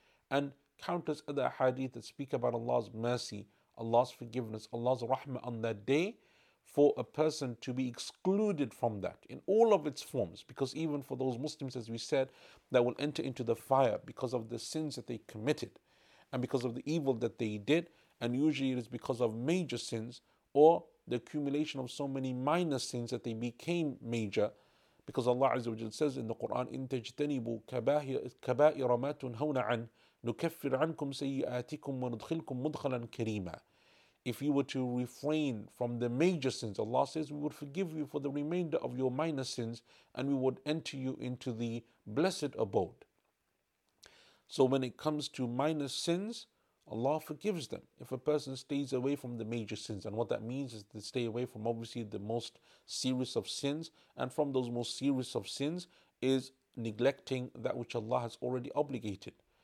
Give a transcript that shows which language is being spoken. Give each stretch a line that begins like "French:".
English: And countless other hadith that speak about Allah's mercy, Allah's forgiveness, Allah's rahmah on that day, for a person to be excluded from that in all of its forms. Because even for those Muslims, as we said, that will enter into the fire because of the sins that they committed and because of the evil that they did, and usually it is because of major sins or the accumulation of so many minor sins that they became major. Because Allah Azza wa Jalla says in the Quran,
Arabic: إِن تَجْتَنِبُوا كَبَائِرَ مَا تُنْهَوْنَ عَنْ نُكَفِّرْ عَنْكُمْ سَيِّئَاتِكُمْ وَنُدْخِلْكُمْ مُدْخَلًا كَرِيمًا.
English: if you were to refrain from the major sins, Allah says, we would forgive you for the remainder of your minor sins and we would enter you into the blessed abode. So when it comes to minor sins, Allah forgives them. If a person stays away from the major sins, and what that means is to stay away from obviously the most serious of sins, and from those most serious of sins is neglecting that which Allah has already obligated.